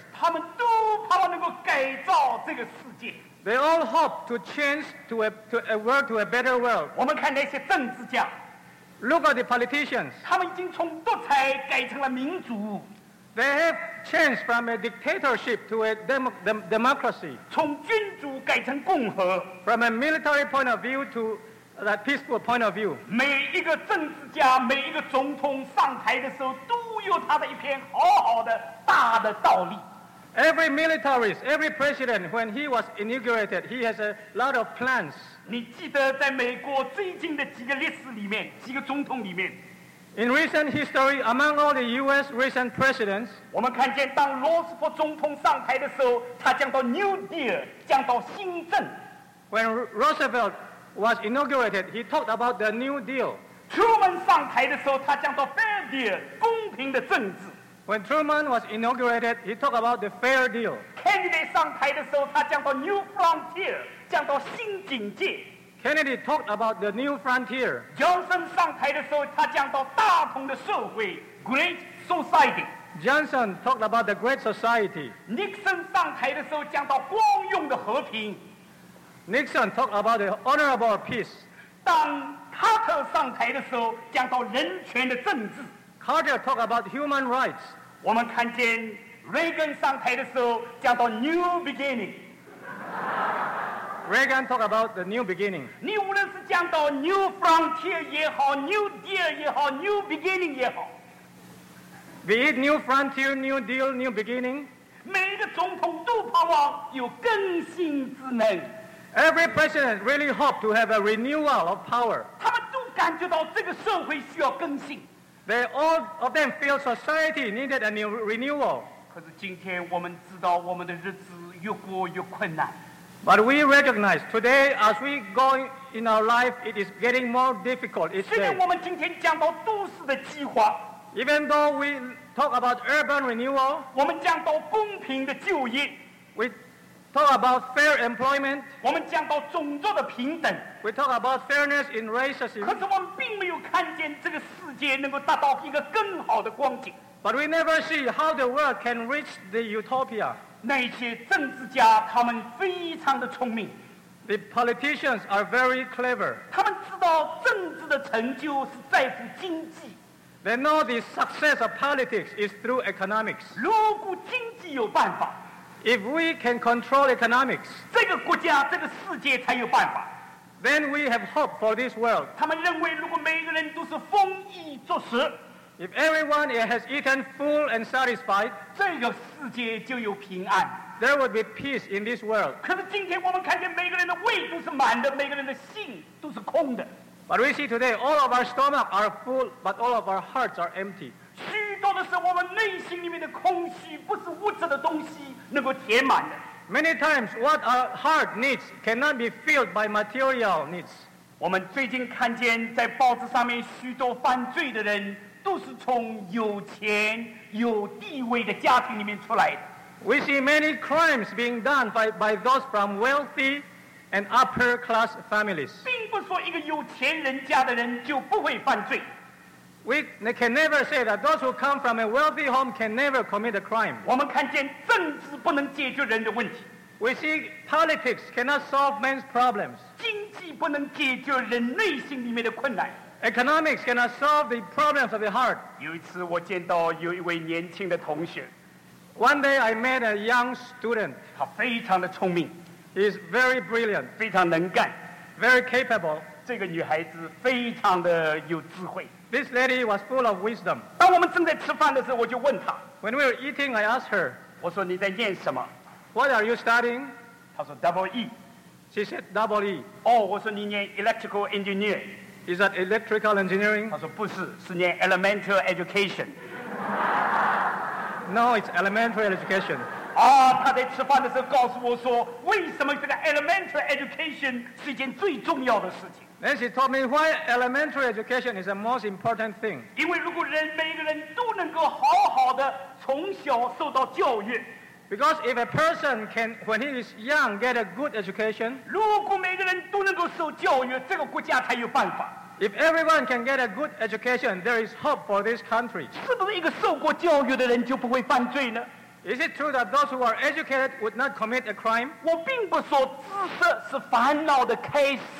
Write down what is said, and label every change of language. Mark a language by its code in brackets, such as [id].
[zh] 他们都盼望能够改造这个世界。 [en] They all hope to change to a better world. [zh] 我们看那些政治家。 [en] Look at the politicians. [zh] 他们已经从独裁改成了民主。 [en] They have changed from a dictatorship to a democracy. [zh] 从君主改成共和。 [en] From a military point of view to a peaceful point of view. [zh] 每一个政治家，每一个总统上台的时候，都有他的一篇好好的大的道理。 [en] Every militarist, every president, when he was inaugurated, he has a lot of plans. [zh] 你记得在美国最近的几个历史里面，几个总统里面。 [en] In recent history, among all the U.S. recent presidents, [zh] 我们看见当罗斯福总统上台的时候，他讲到 New Deal, 讲到新政。 [en] When Roosevelt was inaugurated, he talked about the New Deal. [zh] Truman 上台的时候，他讲到 Fair Deal, 公平的政治。 [en] When Truman was inaugurated, he talked about the fair deal. [zh] Kennedy 上台的时候，他讲到 new frontier, 讲到新境界。 [en] Kennedy talked about the new frontier. [zh] Johnson 上台的时候，他讲到大同的社会 great society. [en] Johnson talked about the great society. [zh] Nixon 上台的时候，讲到光荣的和平。 [en] Nixon talked about the honorable peace. [zh] 当 Carter 上台的时候，讲到人权的政治。 [en] Carter talked about human rights. [zh] 我们看见 Reagan 上台的时候讲到 new beginning. [en] Reagan talked about the new beginning. [zh] 你无论是讲到 new frontier 也好， new deal 也好， new beginning 也好。 [en] Be it new frontier, new deal, new beginning. [zh] 每一个总统都盼望有更新之能。 [en] Every president really hoped to have a renewal of power. [zh] 他们都感觉到这个社会需要更新。 [en] They all of them feel society needed a new renewal. [zh] 可是今天我们知道我们的日子越过越困难。 [en] But we recognize today as we going in our life, it is getting more difficult. [zh] 虽然我们今天讲到都市的计划， [en] even though we talk about urban renewal, [zh] 我们讲到公平的就业， [en] we talk about fair employment, [zh] 我们讲到种族的平等， [en] we talk about fairness in racism. [zh] 可是我们并没有看见这个世界能够达到一个更好的光景。 [en] But we never see how the world can reach the utopia. [zh] 那些政治家他们非常的聪明。 [en] The politicians are very clever. [zh] 他们知道政治的成就是在乎经济。 [en] They know the success of politics is through economics. [zh] 如果经济有办法， [en] If we can control economics, [zh] 这个国家，这个世界才有办法。 [en] Then we have hope for this world. [zh] 他们认为如果每个人都是丰衣足食， [en] If everyone has eaten full and satisfied, [zh] 这个世界就有平安。 [en] There would be peace in this world. [zh] 可是今天我们看见每个人的胃都是满的，每个人的心都是空的。 [en] But we see today, all of our stomachs are full, but all of our hearts are empty. [zh] 许多的是我们内心里面的空虚，不是物质的东西能够填满的。 [en] Many times, what our heart needs cannot be filled by material needs. [zh] 我们最近看见在报纸上面许多犯罪的人都是从有钱有地位的家庭里面出来的。 [en] We see many crimes being done by those from wealthy and upper class families. [zh] 并不说一个有钱人家的人就不会犯罪。 [en] We can never say that those who come from a wealthy home can never commit a crime. [zh] 我们看见政治不能解决人的问题。 [en] We see politics cannot solve men's problems. [zh] 经济不能解决人内心里面的困难。 [en] Economics cannot solve the problems of the heart. [zh] 有一次我见到有一位年轻的同学。 [en] One day I met a young student. [zh] 他非常的聪明。 [en] He is very brilliant. [zh] 非常能干。 [en] Very capable. [zh] 这个女孩子非常的有智慧。 [en] This lady was full of wisdom. [zh] 当我们正在吃饭的时候我就问她。 [en] When we were eating, I asked her. [zh] 我说你在念什么？ [en] What are you studying? [zh] 她说 double E. [en] She said double E. [zh] 哦，我说你念 electrical engineer。 [en] Is that electrical engineering? [zh] 他说不是，是念 elementary education. [en] No, it's elementary education. [zh] 啊，他在吃饭的时候告诉我说，为什么这个 elementary education 是一件最重要的事情。 [en] And she told me why elementary education is the most important thing. [zh] 因为如果人每个人都能够好好的从小受到教育。 [en] Because if a person can, when he is young, get a good education, [zh] 如果每个人都能够受教育，这个国家才有办法。 [en] If everyone can get a good education, there is hope for this country. [zh] 是不是一个受过教育的人就不会犯罪呢？ [en] Is it true that those who are educated would not commit a crime? [zh] 我并不说知识是烦恼的开始。